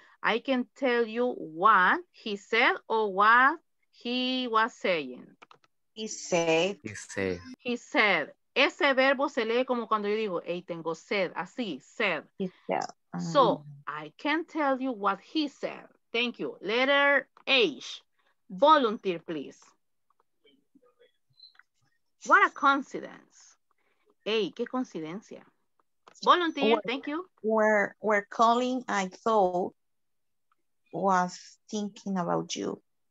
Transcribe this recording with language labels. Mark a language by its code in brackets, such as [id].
[en] I can tell you what he said or what he was saying. He said. [es] Ese verbo se lee como cuando yo digo, hey, tengo sed, así, sed. [en] He said. So, I can tell you what he said. Thank you. Letter H. Volunteer, please. What a coincidence. Hey, [es] qué coincidencia. [en] Volunteer, thank you. We're calling, I thought, was thinking about you.